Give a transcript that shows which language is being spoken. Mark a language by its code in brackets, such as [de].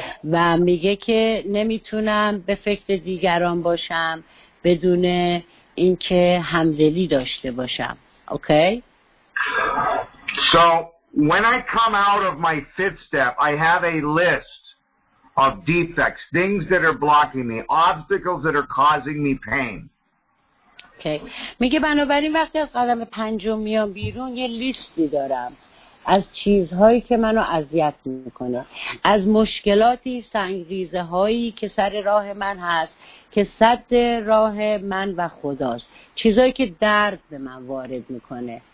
[fa] و میگه که نمیتونم به فکر دیگران باشم بدون اینکه همدلی داشته باشم. [en] Okay? So when I come out of my fifth step, I have a list of defects, things that are blocking me, obstacles that are causing me pain. Okay. [fa] میگه بنابراین وقتی از قدم پنجم میام بیرون یه لیستی دارم از چیزهایی که منو اذیت میکنه، از مشکلاتی، سنگریزه هایی که سر راه من هست، که سد راه من و خداست، چیزهایی که درد به من وارد میکنه.